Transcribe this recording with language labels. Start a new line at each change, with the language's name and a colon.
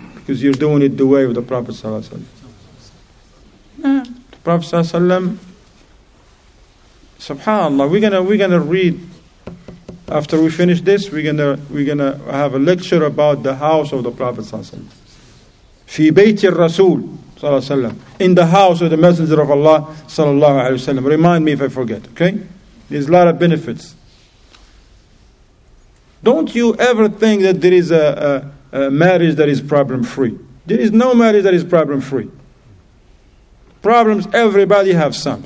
English: Because you're doing it the way of the Prophet ﷺ. Yeah. The Prophet ﷺ, subhanAllah, we're gonna read after we finish this, we're gonna have a lecture about the house of the Prophet ﷺ.
Arabic: في بيت الرسول صلى الله عليه وسلم.
English: In the house of the Messenger of Allah
Arabic: صلى الله عليه وسلم.
English: Remind me if I forget, okay? There's a lot of benefits. Don't you ever think that there is a marriage that is problem free. There is no marriage that is problem free. Problems, everybody have some.